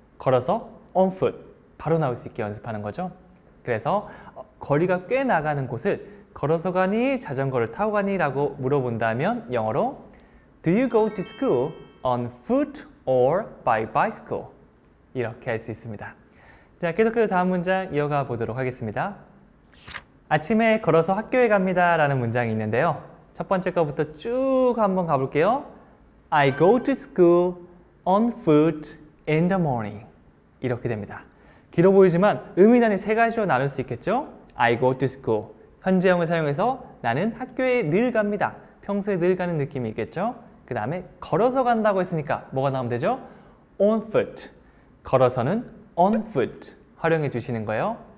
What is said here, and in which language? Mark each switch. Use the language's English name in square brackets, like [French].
[Korean] 걸어서 on foot 바로 나올 수 있게 연습하는 거죠. 그래서 거리가 꽤 나가는 곳을 걸어서 가니 자전거를 타고 가니 라고 물어본다면 영어로 [English] Do you go to school on foot or by bicycle? [Korean] 이렇게 할 수 있습니다. 자, 계속해서 다음 문장 이어가 보도록 하겠습니다. 아침에 걸어서 학교에 갑니다 라는 문장이 있는데요. 첫 번째 거부터 쭉 한번 가볼게요. [English] I go to school on foot in the morning. [Korean] 이렇게 됩니다. 길어 보이지만 의미는 세 가지로 나눌 수 있겠죠? [English] I go to school. [Korean] 현재형을 사용해서 나는 학교에 늘 갑니다. 평소에 늘 가는 느낌이 있겠죠? 그 다음에 걸어서 간다고 했으니까 뭐가 나오면 되죠? [English] On foot. [Korean] 걸어서는 on foot 활용해 주시는 거예요.